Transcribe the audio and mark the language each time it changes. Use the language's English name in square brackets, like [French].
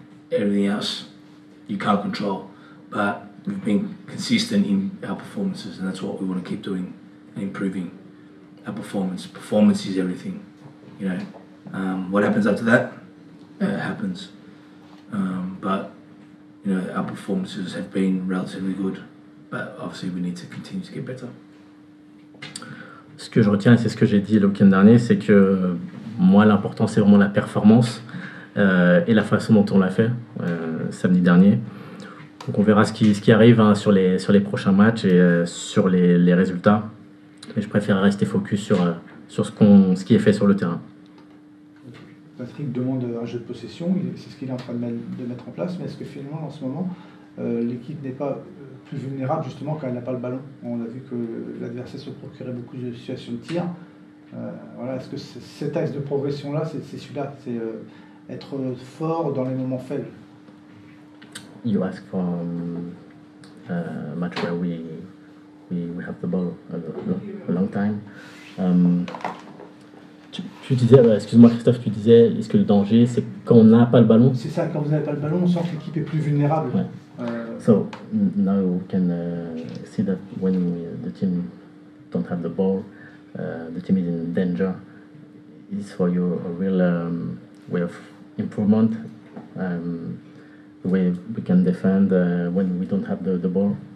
[English] Everything else you can't control, but we've been consistent in our performances, and that's what we want to keep doing and improving our performance. Performance is everything, you know. What happens after that happens, but you know, our performances have been relatively good, but obviously we need to continue to get better. [French] Ce que je retiens, c'est ce que j'ai dit le week-end dernier, c'est que moi, l'important, c'est vraiment la performance. Et la façon dont on l'a fait samedi dernier. Donc on verra ce qui arrive hein, sur les prochains matchs et sur les résultats. Mais je préfère rester focus sur ce qui est fait sur le terrain. Patrick demande un jeu de possession, c'est ce qu'il est en train de mettre en place, mais est-ce que finalement en ce moment l'équipe n'est pas plus vulnérable justement quand elle n'a pas le ballon? On a vu que l'adversaire se procurait beaucoup de situations de tir. Voilà, est-ce que cet axe de progression-là, c'est celui-là, c'est, être fort dans les moments faibles. [English] You ask for a match where we have the ball a long time. [French] Tu disais, excuse-moi Christophe, tu disais, est-ce que le danger c'est quand on n'a pas le ballon? C'est ça, quand vous n'avez pas le ballon, on sent que l'équipe est plus vulnérable. Ouais. [English] So now we can see that when the team don't have the ball, the team is in danger. Is for you a real way of improvement, the way we can defend when we don't have the ball.